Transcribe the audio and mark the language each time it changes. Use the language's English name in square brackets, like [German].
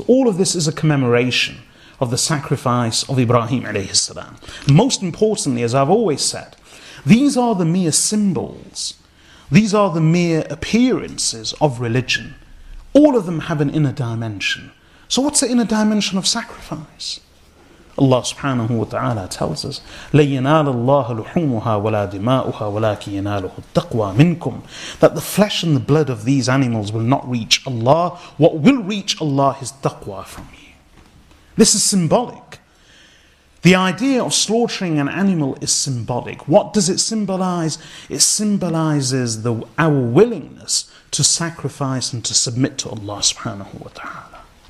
[English] All of this is a commemoration of the sacrifice of Ibrahim alayhi salam. Most importantly, as I've always said, these are the mere symbols, these are the mere appearances of religion. All of them have an inner dimension. So what's the inner dimension of sacrifice? Allah subhanahu wa ta'ala tells us, [Arabic] لَيَنَالَ اللَّهَ لُحُومُهَا وَلَا دِمَاؤُهَا وَلَاكِ يَنَالُهُ التَّقْوَى مِنْكُمْ. [English] That the flesh and the blood of these animals will not reach Allah. What will reach Allah is taqwa from you. This is symbolic. The idea of slaughtering an animal is symbolic. What does it symbolize? It symbolizes our willingness to sacrifice and to submit to Allah subhanahu wa ta'ala.